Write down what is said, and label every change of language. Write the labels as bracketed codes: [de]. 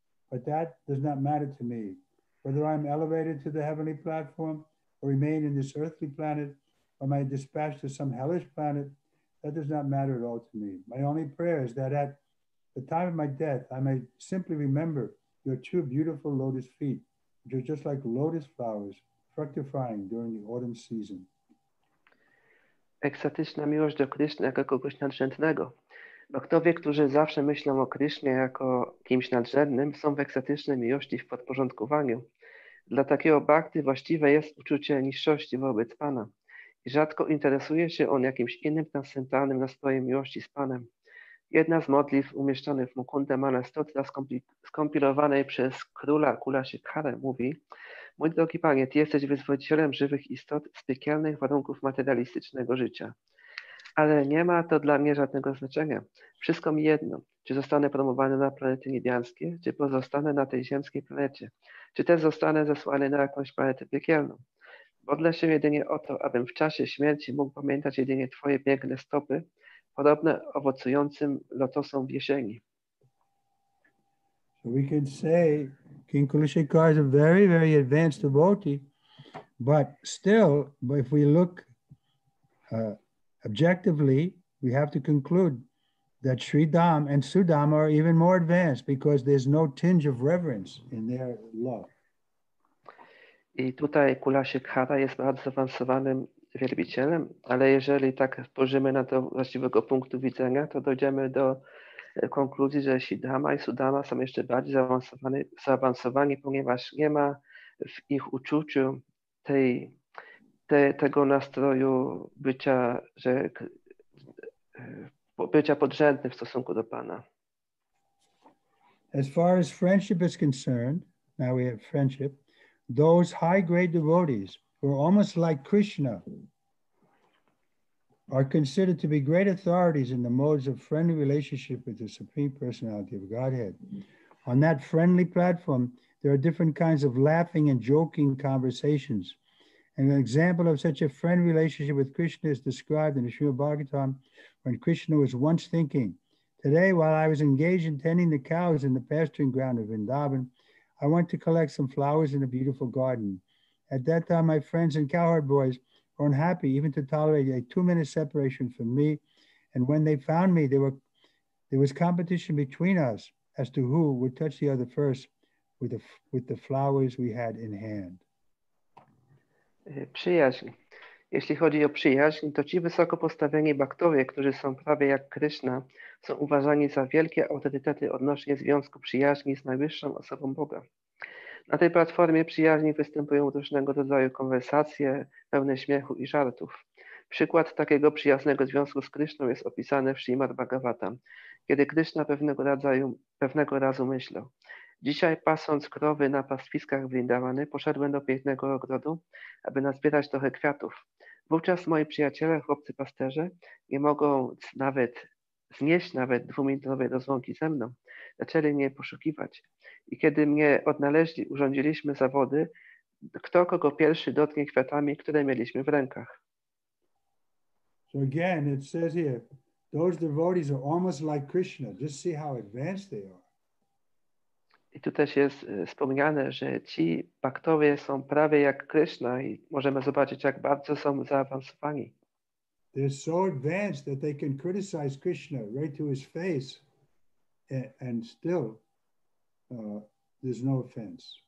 [en] But that does not matter to me. Whether I'm elevated to the heavenly platform or remain in this earthly planet, or am I dispatched to some hellish planet, that does not matter at all to me. My only prayer is that at the time of my death, I may simply remember your two beautiful lotus feet, which are just like lotus flowers fructifying during the autumn season." [pl] Ekstatyczna miłość do Kryszny jako kogoś nadrzędnego. Bo kto wie, którzy zawsze myślą o Krysznie jako kimś nadrzędnym, są w ekstatycznej miłości w podporządkowaniu. Dla takiego bhakty właściwe jest uczucie niższości wobec Pana. I rzadko interesuje się on jakimś innym transcendentalnym nastrojem miłości z Panem. Jedna z modlitw umieszczonych w Mukunda Mala Stotra skompilowanej przez króla Kulashekara mówi: "Mój drogi Panie, Ty jesteś wyzwolicielem żywych istot z piekielnych warunków materialistycznego życia. Ale nie ma to dla mnie żadnego znaczenia. Wszystko mi jedno, czy zostanę promowany na planety niebiańskie, czy pozostanę na tej ziemskiej planecie, czy też zostanę zesłany na jakąś planetę piekielną. Modlę się jedynie o to, abym w czasie śmierci mógł pamiętać jedynie Twoje piękne stopy, podobne owocującym lotosom w jesieni." [en] So we can say King Kulashekara is a very, very advanced devotee, but still, if we look objectively, we have to conclude that Sri Dham and Sudham are even more advanced because there's no tinge of reverence in their love. [pl] I tutaj Kulashekara jest bardzo zaawansowanym wielbicielem, ale jeżeli tak spojrzymy na to właściwego punktu widzenia, to dojdziemy do konkluzji, że Siddhama i Sudama są jeszcze bardziej zaawansowani, ponieważ nie ma w ich uczuciu tego nastroju bycia, że bycia podrzędnym w stosunku do Pana. [en] As far as friendship is concerned, now we have friendship, those high grade devotees who are almost like Krishna are considered to be great authorities in the modes of friendly relationship with the Supreme Personality of Godhead. On that friendly platform, there are different kinds of laughing and joking conversations. And an example of such a friend relationship with Krishna is described in the Srimad Bhagavatam when Krishna was once thinking, "Today, while I was engaged in tending the cows in the pasturing ground of Vrindavan, I went to collect some flowers in a beautiful garden. At that time, my friends and cowherd boys were unhappy even to tolerate a 2-minute separation from me. And when they found me, there was competition between us as to who would touch the other first with the flowers we had in hand." [pl] Przyjaźń. Jeśli chodzi o przyjaźń, to ci wysoko postawieni bhaktowie, którzy są prawie jak Kryszna, są uważani za wielkie autorytety odnośnie związku przyjaźni z najwyższą osobą Boga. Na tej platformie przyjaźni występują różnego rodzaju konwersacje, pełne śmiechu i żartów. Przykład takiego przyjaznego związku z Kryszną jest opisany w Śrimad Bhagavatam, kiedy Kryszna pewnego razu myślał: "Dzisiaj pasąc krowy na pastwiskach Vrindavany, poszedłem do pięknego ogrodu, aby nazbierać trochę kwiatów. Wówczas moi przyjaciele, chłopcy pasterze, nie mogą nawet znieść nawet 2-minutowej rozłąki ze mną. Zaczęli mnie poszukiwać. I kiedy mnie odnaleźli, urządziliśmy zawody, kto kogo pierwszy dotknie kwiatami, które mieliśmy w rękach." [en] So again, it says here, those devotees are almost like Krishna. Just see how advanced they are. [pl] I tu też jest wspomniane, że ci bhaktowie są prawie jak Krishna i możemy zobaczyć, jak bardzo są zaawansowani. [en] They're so advanced that they can criticize Krishna right to his face and still there's no offense.